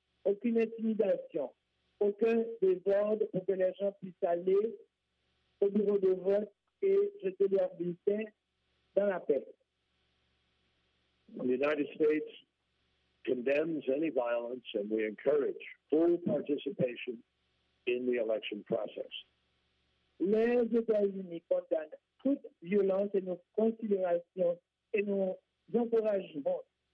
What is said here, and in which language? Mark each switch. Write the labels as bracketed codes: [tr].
[fr] Aucune intimidation, aucun désordre pour que les gens puissent aller au bureau de vote et jeter leur bulletin dans la paix. [en] The United States condemns any violence and we encourage full participation in the election process. [fr] Les États-Unis condamnent toute violence et nos considérations et nos encouragements.